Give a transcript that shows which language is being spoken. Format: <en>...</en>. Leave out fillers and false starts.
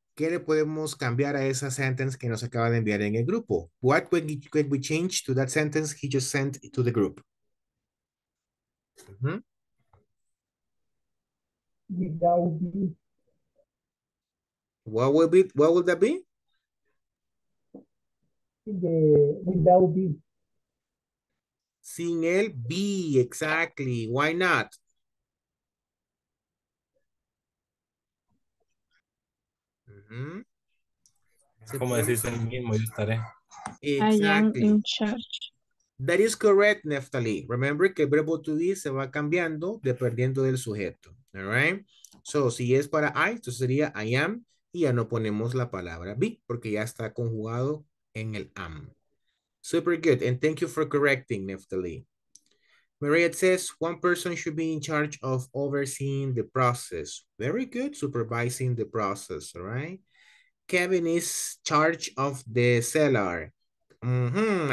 <es>¿Qué le podemos cambiar a esa sentence que nos acaba de enviar en el grupo?</es> <en>What could we change to that sentence he just sent to the group? Mm-hmm. Without be. What would be? What would that be? The without be.</en> <es>Sin el</es> <en>be, exactly. Why not?</en> <es>Mm-hmm. Como decís el mismo, yo estaré.</es> <en>Exactly. I am in charge. That is correct,</en> <es>Neftali.</es> <en>Remember</en> <es>que el verbo to be se va cambiando dependiendo del sujeto.</es> <en>All right.</en> <es>So, si es para I, esto sería</es> <en>I am,</en> <es>y ya no ponemos la palabra be, porque ya está conjugado en el am.</es> <en>Super good, and thank you for correcting, Neftali. Maria says, one person should be in charge of overseeing the process. Very good, supervising the process, all right? Kevin is charge of the cellar. Mm-hmm.</en>